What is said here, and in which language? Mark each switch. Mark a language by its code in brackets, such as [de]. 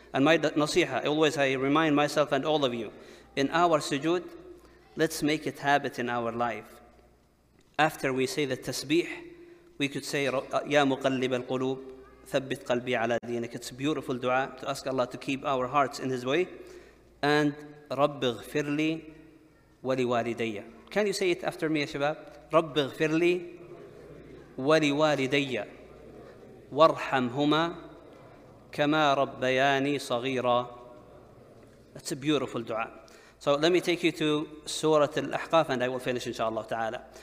[en] And my nasiha, always I remind myself and all of you, in our sujood, let's make it habit in our life. After we say the tasbih, we could say, [ar] يَا مُقَلِّبَ الْقُلُوبِ ثَبِّتْ قَلْبِي عَلَى دِينِكَ. [en] It's a beautiful dua to ask Allah to keep our hearts in His way. [ar] And رَبِّ اغْفِرْ لِي وَلِوَالِدَيَّ. [en] Can you say it after me, shabab? [ar] رَبِّ اغْفِرْ لِي وَلِوَالِدَيَّ وَارْحَمْهُمَا كَمَا رَبَّيَانِي صَغِيرًا. [en] That's a beautiful dua. So let me take you to Surah Al-Ahqaf and I will finish inshallah ta'ala.